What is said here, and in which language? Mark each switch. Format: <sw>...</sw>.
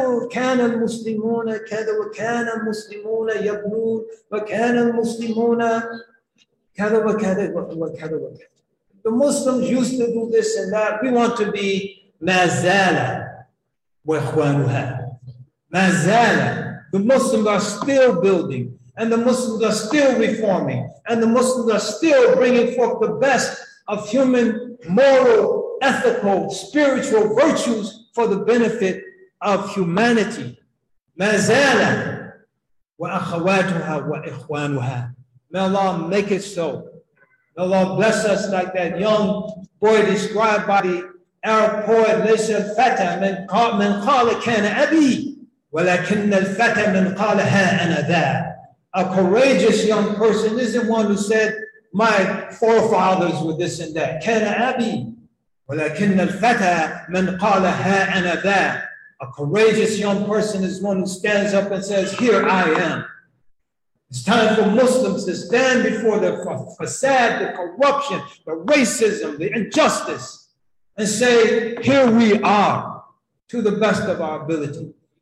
<ar>كان المسلمون كذا وكان المسلمون يبنون وكان المسلمون كذا وكذا وكذا وكذا.</ar> <en>The Muslims used to do this and that. We want to be</en> <ar>مازال وإخوانها. مازال.</ar> <en>The Muslims are still building and the Muslims are still reforming and the Muslims are still bringing forth the best of human, moral, ethical, spiritual virtues for the benefit of humanity.</en> <ar>مَازَالَ وَأَخَوَاتُهَا وَإِخْوَانُهَا.</ar> <en>May Allah make it so. May Allah bless us like that young boy described by the Arab poet</en> <ar>Laysa al-Fata من قال كان أبي ولكن الفتى من قال ها أنا ذا.</ar> <en>A courageous young person isn't one who said my forefathers were this and that.</en> <ar>كان أبي ولكن الفتى من قال ها أنا ذا.</ar> <en>A courageous young person is one who stands up and says, here I am. It's time for Muslims to stand before the facade, the corruption, the racism, the injustice, and say, here we are, to the best of our ability.</en>